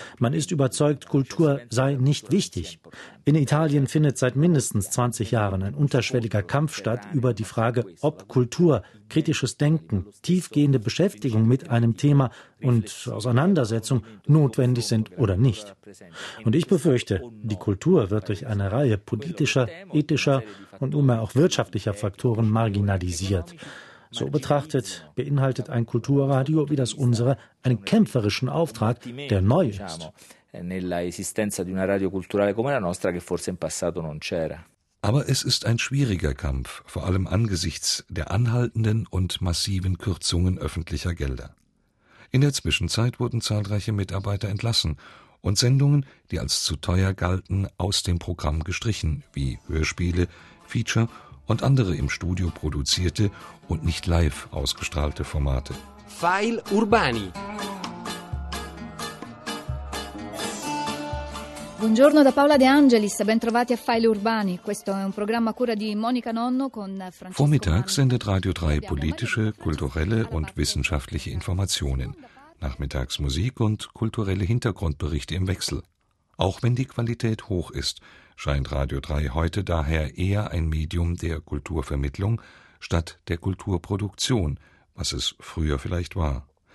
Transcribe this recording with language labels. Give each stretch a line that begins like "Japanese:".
German: Man ist überzeugt, Kultur sei nicht wichtig. In Italien findet seit mindestens 20 Jahren ein unterschwelliger Kampf statt über die Frage, ob Kultur, kritisches Denken, tiefgehende Beschäftigung mit einem Thema und Auseinandersetzung notwendig sind oder nicht. Und ich befürchte, die Kultur wird durch eine Reihe politischer, ethischer und nunmehr auch wirtschaftlicher Faktoren marginalisiert. So betrachtet, beinhaltet ein Kulturradio wie das unsere einen kämpferischen Auftrag, der neu ist.
Italian: Nella esistenza di una radio culturale come la nostra, che forse in passato non c'era.
German: Aber es ist ein schwieriger Kampf, vor allem angesichts der anhaltenden und massiven Kürzungen öffentlicher Gelder. In der Zwischenzeit wurden zahlreiche Mitarbeiter entlassen und Sendungen, die als zu teuer galten, aus dem Programm gestrichen, wie Hörspiele, Feature und andere im Studio produzierte und nicht live ausgestrahlte Formate.
Italian: File Urbani. Buongiorno da Paola De Angelis, bentrovati a File Urbani. Questo è un programma a cura di Monica Nonno con Francesco.
German: Vormittags sendet Radio 3 politische, kulturelle und wissenschaftliche Informationen. Nachmittags Musik und kulturelle Hintergrundberichte im Wechsel. Auch wenn die Qualität hoch ist, scheint Radio 3 heute daher eher ein Medium der Kulturvermittlung statt der Kulturproduktion, was es früher vielleicht war.